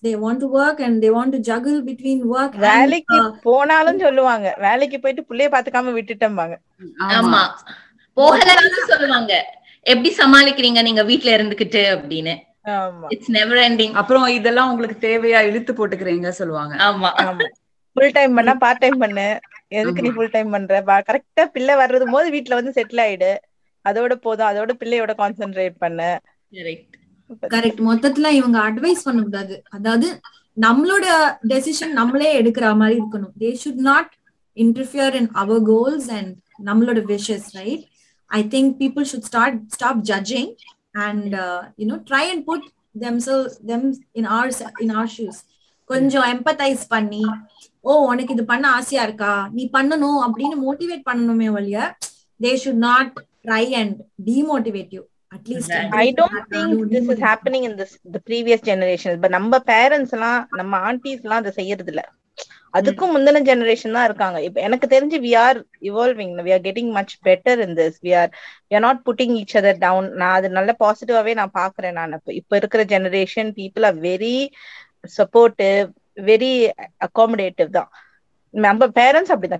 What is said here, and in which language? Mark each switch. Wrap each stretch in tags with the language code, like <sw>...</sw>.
<en>They want to work and they want to juggle between work.</en> <ta>வேலைக்கு போனாலும் சொல்லுவாங்க, வேலைக்கு போயிட்டு புள்ளைய பாத்துக்காம விட்டுட்டம்பாங்க. ஆமா, போகலன்னு சொல்லுவாங்க, எப்படி சமாளிக்கிறீங்க நீங்க வீட்ல இருந்துகிட்டு அப்படின்னு.</ta> <en>It's never ending.</en> <ta>அப்புறம் இதெல்லாம் உங்களுக்கு தேவையா இழுத்து போட்டுக்கறீங்க சொல்வாங்க. ஆமா ஆமா. ফুল டைம் பண்ணா பார்ட் டைம் பண்ணு. எதுக்கு நீ ফুল டைம் பண்ற? கரெக்ட்டா பிள்ளை வர்றது போது வீட்ல வந்து செட்டில் ஆயிடு. அதோட போதும், அதோட பிள்ளையோட கான்சென்ட்ரேட் பண்ணு. கரெக்ட். கரெக்ட். மொத்தத்துல இவங்க அட்வைஸ் பண்ண கூடாது. அதாவது நம்மளோட டிசிஷன் நம்மளே எடுக்கிற மாதிரி இருக்கணும்.</ta> <en>They should not interfere in our goals and நம்மளோட wishes, right? I think people should stop judging. And, you know, try and put themselves in our shoes.</en> <ta>கொஞ்சம் எம்பதைஸ் பண்ணி, ஓ உனக்கு இது பண்ண ஆசையா இருக்கா, நீ பண்ணணும் அப்படின்னு மோட்டிவேட் பண்ணணுமே ஒழிய,</ta> <en>they should not try and demotivate you. At least, I don't think this is happening in the previous generations.</en> <ta>But நம்ம பேரண்ட்ஸ் எல்லாம், நம்ம ஆண்டிஸ் எல்லாம் அதை செய்யறது இல்ல. அதுக்கும் முந்தின ஜெனரேஷன் தான் இருக்காங்க. இப்ப எனக்கு தெரிஞ்சு</ta> <en>We are evolving, we are getting much better in this. We are not putting each other down.</en> <ta>நான் அது நல்ல பாசிட்டிவாவே நான் பாக்குறேன். நான் இப்ப இருக்கிற</ta> <en>Generation people are very supportive, very accommodative தான்.</en> <ta>நம்ம பேரண்ட்ஸ் அப்படிதான்.</ta>